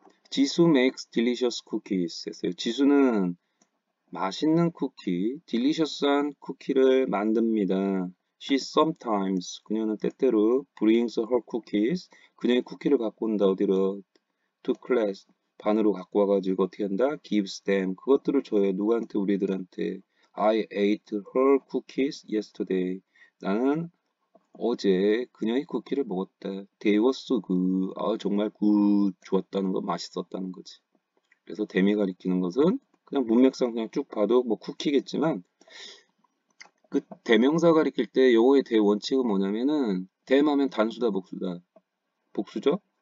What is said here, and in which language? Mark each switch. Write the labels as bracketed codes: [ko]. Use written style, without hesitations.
[en] 지수 makes delicious cookies 했어요. [ko] 지수는 맛있는 쿠키, delicious한 쿠키를 만듭니다. [en] She sometimes, [ko] 그녀는 때때로 [en] brings her cookies, [ko] 그녀의 쿠키를 갖고 온다. 어디로? [en] To class. [ko] 반으로 갖고 와가지고 어떻게 한다? [en] Gives them. [ko] 그것들을 줘요. 누구한테? 우리들한테. [en] I ate her cookies yesterday. [ko] 나는 어제 그녀의 쿠키를 먹었다. [en] They were so good. 정말 good. [ko] 좋았다는 거, 맛있었다는 거지. 그래서 댐이 가리키는 것은 그냥 문맥상 그냥 쭉 봐도 뭐 쿠키겠지만 그 대명사 가리킬 때 영어의 대원칙은 뭐냐면은 댐 하면 단수다, 복수다. 복수죠?